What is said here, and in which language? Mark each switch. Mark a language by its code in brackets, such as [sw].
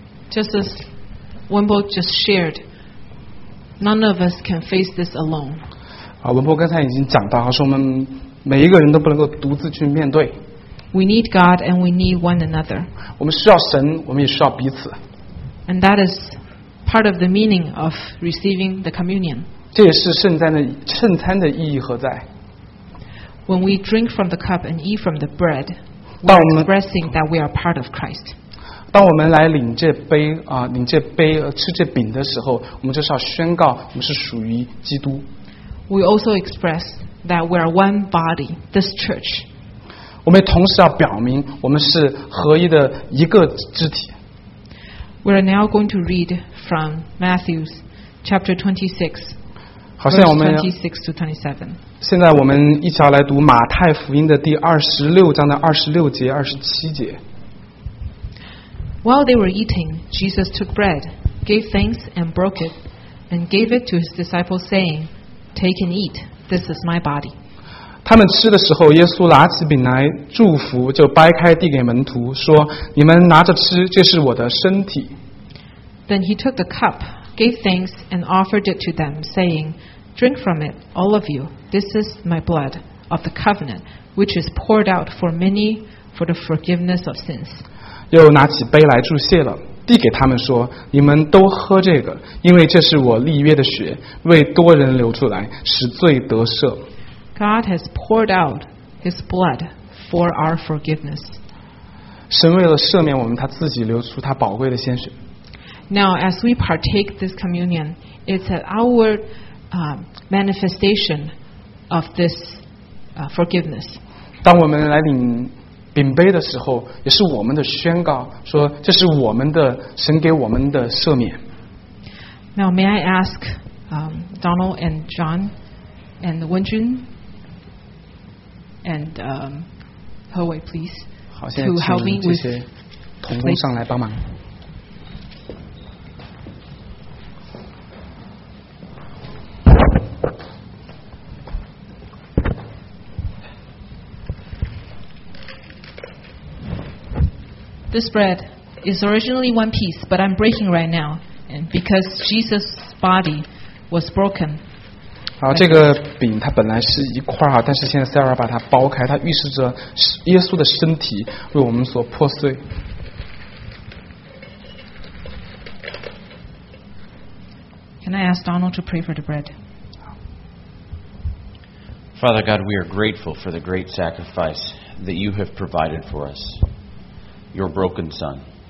[en] Just as Wenbo just shared, none of us can face this alone. [zh] 啊，文博刚才已经讲到，说我们每一个人都不能够独自去面对。 [en] We need God and we need one another. [zh] 我们需要神，我们也需要彼此。 [en] And that is part of the meaning of receiving the communion. [zh] 这也是圣餐的意义何在。 [en] When we drink from the cup and eat from the bread, we're expressing that we are part of Christ. [zh] 当我们来领这杯啊，领这杯吃这饼的时候，我们就是要宣告我们是属于基督。 [en] We also express that we are one body, this church. [zh] 我们同时要表明我们是合一的一个肢体。 [en] We are now going to read from Matthew's chapter 26. [zh] 好，现在我们 [en] 26-27. [zh] 现在我们一起要来读马太福音的第26章的26节、27节。 [en] While they were eating, Jesus took bread, gave thanks, and broke it, and gave it to his disciples, saying, Take and eat, this is my body. [zh] 他们吃的时候，耶稣拿起饼来祝福，就掰开递给门徒，说，你们拿着吃，这是我的身体。 [en] Then he took the cup, gave thanks, and offered it to them, saying, Drink from it, all of you, this is my blood of the covenant, which is poured out for many for the forgiveness of sins. [zh] 又拿起杯来祝谢了，递给他们说，你们都喝这个，因为这是我立约的血，为多人流出来，使罪得赦。 [en] God has poured out his blood for our forgiveness. [zh] 神为了赦免我们，他自己流出他宝贵的鲜血。 [en] Now as we partake this communion, it's an outward manifestation of this forgiveness. [zh] 当我们来领饼杯的时候，也是我们的宣告，说这是我们的神给我们的赦免。 [en] Now may I ask, Donald and John, and Wenjun, and Hewei, please, to help me with. [zh] 好，现在请这些同工来帮忙。 [en] This bread is originally one piece, but I'm breaking right now, and because Jesus' body was broken. [zh] 好，这个饼它本来是一块啊，但是现在 Sarah 把它剥开，它预示着耶稣的身体为我们所破碎。 [en] Can I ask Donald to pray for the bread? Father God, we are grateful for the great sacrifice that you have provided for us. Your broken son.